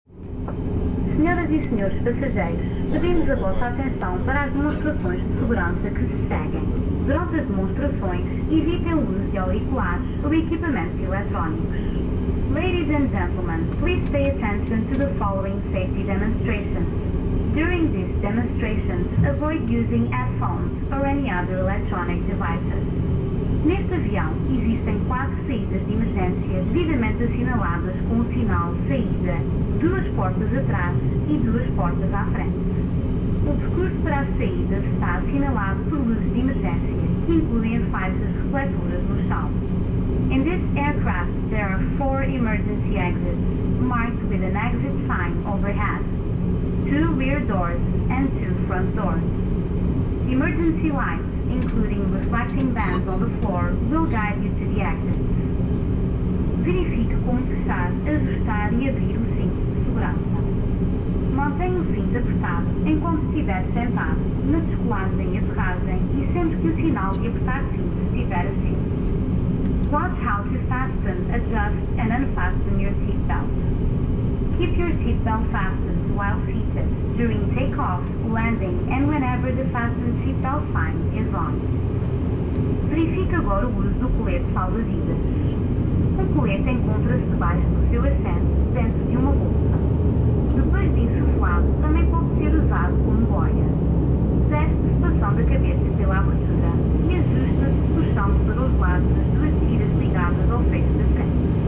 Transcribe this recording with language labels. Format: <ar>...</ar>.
<pt>e senhores passageiros, pedimos a vossa atenção para as demonstrações de segurança que se seguem. Durante as demonstrações, evitem o uso de auriculares ou equipamentos eletrónicos.</pt> <en>Ladies and gentlemen, please pay attention to the following safety demonstration. During this demonstration, avoid using headphones or any other electronic devices.</en> <pt>Neste avião, existem 4 saídas de emergência devidamente assinaladas com o sinal saída, 2 portas atrás e 2 portas à frente. O percurso para a saída está assinalado por luzes de emergência, que incluem as faixas refletoras no chão.</pt> <en>In this aircraft, there are 4 emergency exits, marked with an exit sign overhead. 2 rear doors and 2 front doors. Emergency lights, including reflecting bands on the floor, will guide you to the exits.</en> <pt>Verifique como fechar, ajustar e abrir o cinto de segurança. Mantenha o cinto apertado enquanto estiver sentado, na descolagem e aterragem e sempre que o sinal de apertar cinto estiver acima.</pt> <en>Watch how to fasten, adjust and unfasten your seatbelt. Keep your seatbelt fastened while seated, during takeoff, landing and whenever the fastened seatbelt sign is on.</en> <pt>Verifique agora o uso do colete salva-vidas. O colete encontra-se debaixo do seu assento, dentro de uma bolsa. Depois de insuflado, também pode ser usado como boia. Teste-se passando a cabeça pela abertura e ajusta-se puxando para os lados as duas tiras ligadas ao freio da frente.</pt>